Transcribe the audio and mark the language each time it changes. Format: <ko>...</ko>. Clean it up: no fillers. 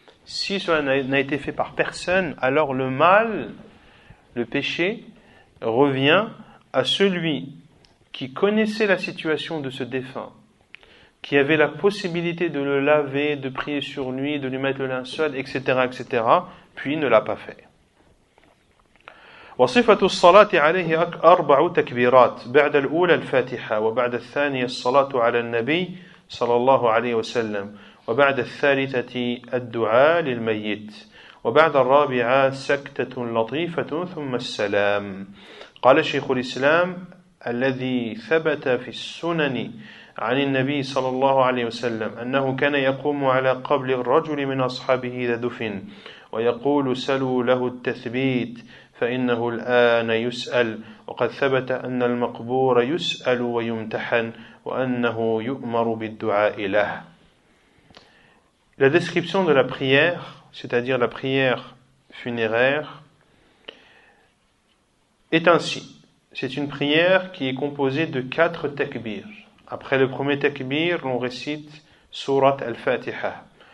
<fr>Si cela n'a été fait par personne, alors le mal, le péché, revient à celui qui connaissait la situation de ce défunt, qui avait la possibilité de le laver, de prier sur lui, de lui mettre le linceul, etc., etc., puis ne l'a pas fait.</fr> <ar>وصفة الصلاة عليه أربع تكبيرات بعد الأولى الفاتحة وبعد الثانية الصلاة على النبي صلى الله عليه وسلم وبعد الثالثة الدعاء للميت وبعد الرابعة سكتة لطيفة ثم السلام. قال شيخ الإسلام الذي ثبت في السنن عن النبي صلى الله عليه وسلم أنه كان يقوم على قبر الرجل من أصحابه إذا دفن ويقول سلوا له التثبيت فإنه الآن يسأل، وقد ثبت أن المقبور يسأل ويمتحن وأنه يؤمر بالدعاء له.</ar> <fr>La description de la prière, c'est-à-dire la prière funéraire, est ainsi. C'est une prière qui est composée de quatre takbirs. Après le premier takbir, l'on récite Surat al-Fatiha.</fr>